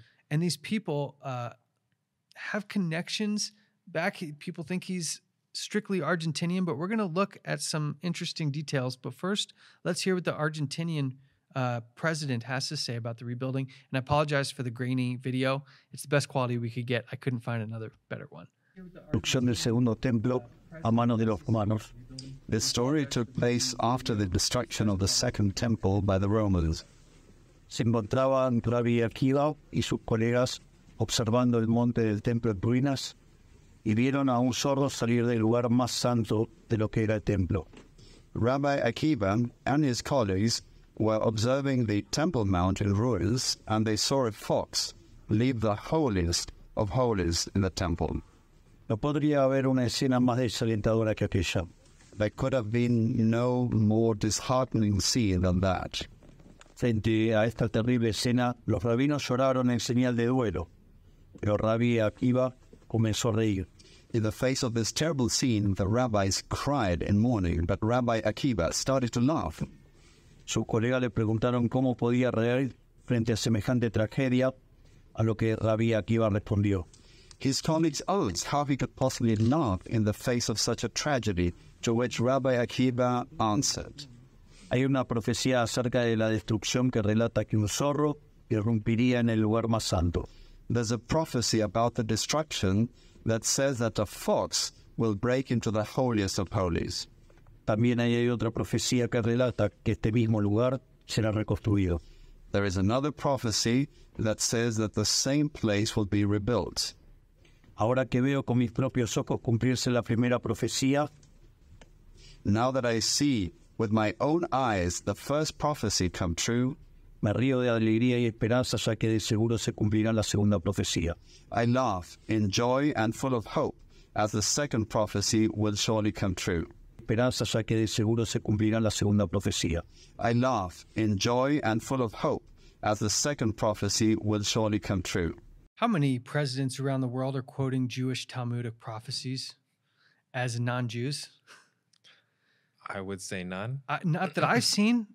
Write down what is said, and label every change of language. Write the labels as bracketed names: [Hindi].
[English] And these people have connections back. People think he's strictly Argentinian, but we're going to look at some interesting details. But first, let's hear what the Argentinian president has to say about the rebuilding. And I apologize for the grainy video. It's the best quality we could get. I couldn't find another better one. [Spanish] Construction del segundo templo a mano de los romanos. [English] This story took place after the destruction of the second temple by the Romans. [Spanish] Se encontraban Rabbi Akiva y sus colegas observando el monte del templo en ruinas, y vieron a un sordo salir del lugar más santo de lo que era el templo. [English] Rabbi Akiva and his colleagues were observing the Temple Mount in ruins, and they saw a fox leave the holiest of holies in the temple. [Spanish] No podría haber una escena más desalentadora que aquella. [English] There could have been no more disheartening scene than that. [Spanish] Frente a esta terrible escena, los rabinos lloraron en señal de duelo, pero Rabbi Akiva comenzó a reír. [English] In the face of this terrible scene, the rabbis cried in mourning, but Rabbi Akiva started to laugh. [Spanish] Su colega le preguntaron cómo podía reír frente a semejante tragedia, a lo que Rabbi Akiva respondió. [English] His colleagues asked how he could possibly laugh in the face of such a tragedy, to which Rabbi Akiva answered. [Spanish] Hay una profecía acerca de la destrucción que relata que un zorro irrumpiría en el lugar más santo. [English] there's a prophecy about the destruction that says that a fox will break into the holiest of holies. [Spanish] También hay otra profecía que relata que este mismo lugar será reconstruido. [English] There is another prophecy that says that the same place will be rebuilt. [Spanish] Ahora que veo con mis propios ojos cumplirse la primera profecía, [English] now that I see with my own eyes the first prophecy come true, [Spanish] me río de alegría y esperanza, ya que de seguro se cumplirá la segunda profecía. [English] I laugh in joy and full of hope, as the second prophecy will surely come true. [Spanish] Esperanza, ya que de seguro se cumplirá la segunda profecía. [English] I laugh in joy and full of hope, as the second prophecy will surely come true. How many presidents around the world are quoting Jewish Talmudic prophecies as non-Jews? I would say none. Not that I've seen.